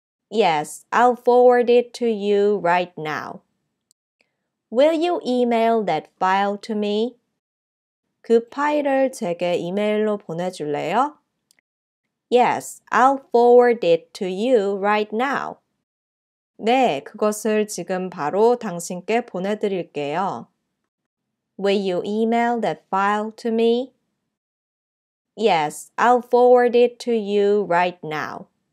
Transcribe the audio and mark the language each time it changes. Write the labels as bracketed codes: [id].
[en] Yes, I'll forward it to you right now. Will you email that file to me? [ko] 그 파일을 제게 이메일로 보내줄래요? [en] Yes, I'll forward it to you right now. [ko] 네, 그것을 지금 바로 당신께 보내드릴게요. [en] Will you email that file to me? Yes, I'll forward it to you right now.